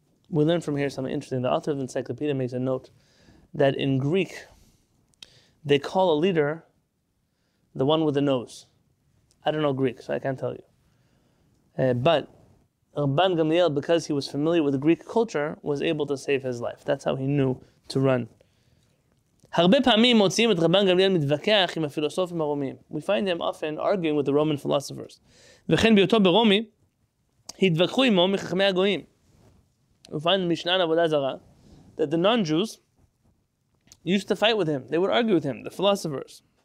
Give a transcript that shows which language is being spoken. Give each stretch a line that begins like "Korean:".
English: We learn from here something interesting. The author of the encyclopedia makes a note that in Greek, they call a leader the one with the nose. I don't know Greek, so I can't tell you. But Rabban Gamliel, because he was familiar with Greek culture, was able to save his life. That's how he knew to run.
Hebrew: הרבה פעמים מוצאים את רבן גמליאל מתווכח עם הפילוסופים הרומיים.
English: We find him often arguing with the Roman philosophers.
Hebrew: וכן ביותו ברומי, התווכחו עמו מחכמי הגויים.
English: We find the Mishnah in Avodah Zarah that the non-Jews used to fight with him. They would argue with him, the philosophers.